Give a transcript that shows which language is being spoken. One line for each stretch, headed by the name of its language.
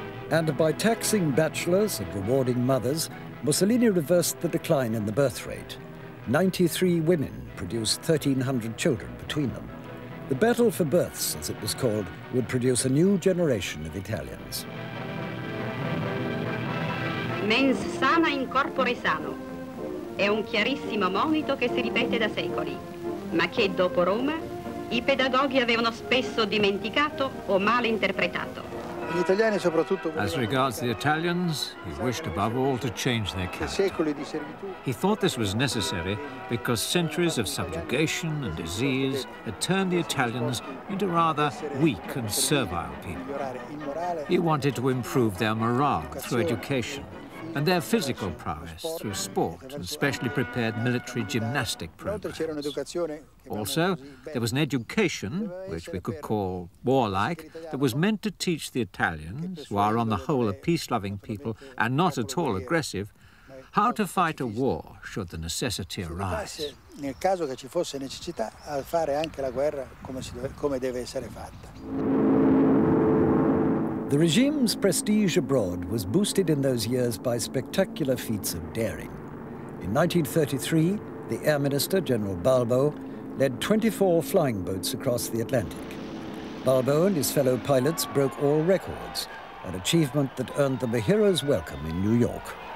English: And by taxing bachelors and rewarding mothers, Mussolini reversed the decline in the birth rate. 93 women produced 1,300 children between them. The battle for births, as it was called, would produce a new generation of Italians.
Latin: Mens sana in corpore sano.
Italian: È un chiarissimo monito che si ripete da secoli, ma che dopo Roma i pedagoghi avevano spesso dimenticato o mal interpretato.
English: As regards the Italians, he wished above all to change their character. He thought this was necessary because centuries of subjugation and disease had turned the Italians into rather weak and servile people. He wanted to improve their morale through education and their physical prowess through sport and specially prepared military gymnastic programs. Also, there was an education, which we could call warlike, that was meant to teach the Italians, who are on the whole a peace-loving people and not at all aggressive, how to fight a war should the necessity arise.
Italian: Nel caso che ci fosse necessità, a fare anche la guerra come deve essere fatta.
English: The regime's prestige abroad was boosted in those years by spectacular feats of daring. In 1933, the Air Minister, General Balbo, led 24 flying boats across the Atlantic. Balbo and his fellow pilots broke all records, an achievement that earned them a hero's welcome in New York.